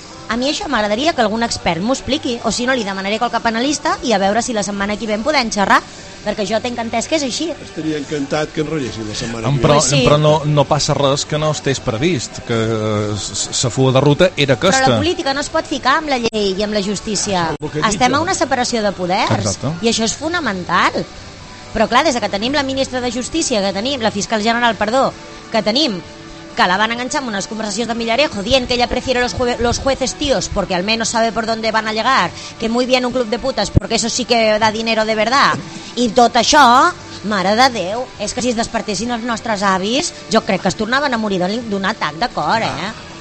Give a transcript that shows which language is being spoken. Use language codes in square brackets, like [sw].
[ca] A mi això m'agradaria que algun expert m'ho expliqui, o si no li demanaré a qualque penalista i a veure si la setmana que ve en podem xerrar. Perquè jo tinc entès que és així. Estaria encantat que enrotllessin la setmana. Però no passa res que no estigués previst, que la fuga de ruta era aquesta. Però la política no es pot ficar amb la llei i amb la justícia. Estem a una separació de poders. Exacte. I això és fonamental. Però clar, des que tenim la ministra de Justícia, que tenim la fiscal general, que tenim, que la van enganxar en unes conversacions de Millarejo dient que [es] ella prefiere los jueces tíos porque al menos sabe por dónde van a llegar, que muy bien un club de putas porque eso sí que da dinero de verdad. [ca] I tot això, mare de Déu, és que si es despertessin els nostres avis, jo crec que es tornaven a morir d'un atac de cor, eh?